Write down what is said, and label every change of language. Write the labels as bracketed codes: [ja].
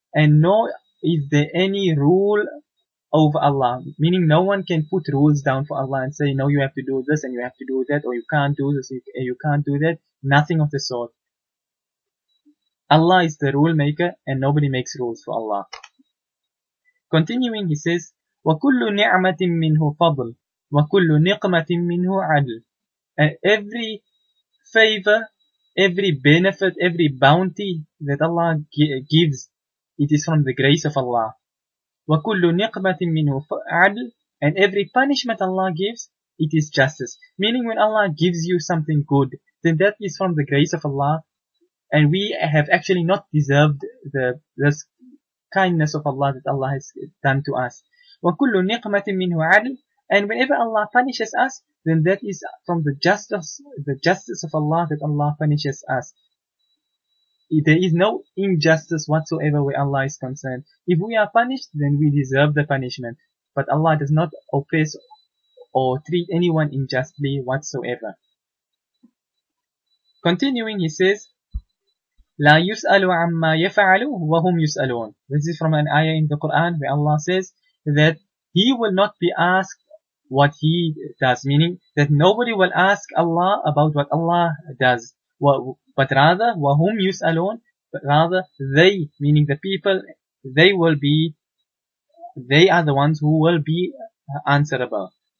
[en] And nor is there any rule over Allah. Meaning no one can put rules down for Allah and say, no, you have to do this and you have to do that, or you can't do this and you can't do that. Nothing of the sort. Allah is the rule maker, and nobody makes rules for Allah. Continuing, he says, [ar] وَكُلُّ نِعْمَةٍ مِّنْهُ فَضْلٍ وَكُلُّ نِقْمَةٍ مِّنْهُ عَدْلٍ. [en] And every favor, every benefit, every bounty that Allah gives, it is from the grace of Allah. [ar] وكل نقمة منه عدل. [en] And every punishment Allah gives, it is justice. Meaning when Allah gives you something good, then that is from the grace of Allah. And we have actually not deserved this kindness of Allah that Allah has done to us. [ar] وكل نقمة منه عدل. [en] And whenever Allah punishes us, then that is from the justice of Allah that Allah punishes us. There is no injustice whatsoever where Allah is concerned. If we are punished, then we deserve the punishment. But Allah does not oppress or treat anyone unjustly whatsoever. Continuing, he says, [ar] لَا يُسْأَلُ عَمَّا يَفَعَلُ وَهُمْ يُسْأَلُونَ. [en] This is from an ayah in the Quran where Allah says that He will not be asked what He does, meaning that nobody will ask Allah about what Allah does. But rather, [ar] وَهُمْ يُسْأَلُونَ, [en] but rather they, meaning the people, they are the ones who will be answerable.